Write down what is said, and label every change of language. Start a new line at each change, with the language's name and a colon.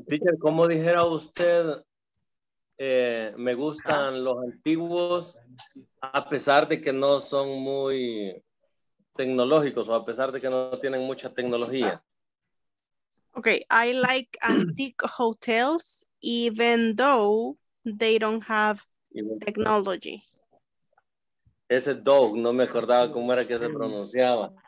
Spanish: Teacher, ¿cómo dijera usted, me gustan los antiguos a pesar de que no son muy tecnológicos o a pesar de que no tienen mucha tecnología?
English: Okay, I like antique hotels even though they don't have technology.
Spanish: Ese dog, no me acordaba cómo era que se pronunciaba.